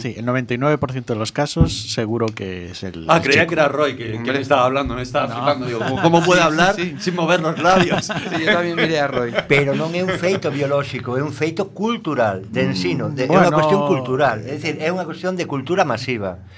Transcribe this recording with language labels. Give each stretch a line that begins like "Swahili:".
Spanish: Sí, el 99% de los casos seguro que es el chico. Creía que era Roy, que le estaba hablando, me estaba flipando. Digo, ¿cómo puede hablar sin mover los labios? Sí, yo también miré a Roy.
Galician: Pero non é un feito biológico, é un feito cultural, de ensino. É unha cuestión cultural. É dicir, é unha cuestión de cultura masiva.